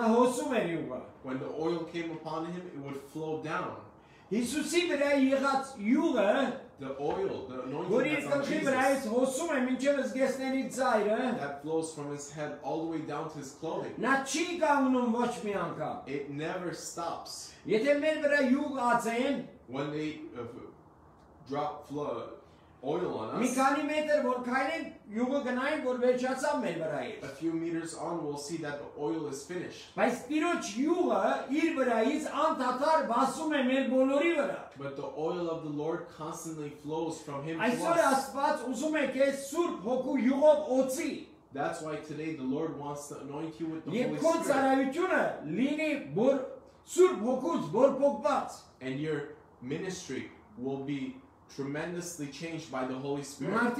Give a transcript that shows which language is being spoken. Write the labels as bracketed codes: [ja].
[en] When the oil came upon him, it would flow down. [hy] Հիսուսի վրա եղած յուղը, [en] the oil, the anointing that [hy] հոսում է մինչև իր գեսների ծայրը, [en] that flows from his head all the way down to his clothing. [hy] Նա չի կանգնում ոչ մի անգամ. [en] It never stops. [hy] Եթե մեր վրա յուղ ածեն, [en] when they drop flood oil on us, [hy] մի քանի մետր որ քայլեն, յուղը գնային որ վերջացավ մեր վրայից. [en] A few meters on we'll see that the oil is finished. [hy] Բայց Տիրոջ յուղը իր վրայից անդադար վասում է մեր բոլորի վրա. [en] But the oil of the Lord constantly flows from him. [hy] Այսօր Աստված ուզում է քեզ Սուրբ Հոգու յուղով օծի. [en] That's why today the Lord wants to anoint you with the Holy Spirit. [hy] Եկ քո ծառայությունը լինի որ Սուրբ Հոգուց բորբոքված. [en] And your ministry will be tremendously changed by the Holy Spirit.